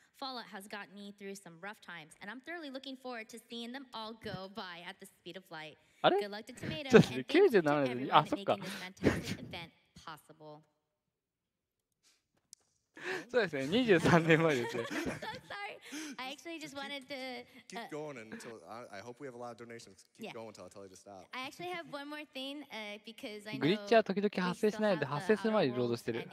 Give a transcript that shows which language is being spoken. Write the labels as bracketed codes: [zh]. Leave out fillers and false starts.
[en] Fallout has gotten me through some rough times, and I'm thoroughly looking forward to seeing them all go by at the speed of light. Good luck to Tomato and thank you to everyone making this fantastic event possible. [ja] そうですね、23年前ですね。 [en] I actually just wanted to keep going until I hope we have a lot of donations. Keep going until I tell you to stop. I actually have one more thing because I know [ja] グリッチは時々発生しないので、発生する前にロードしてる。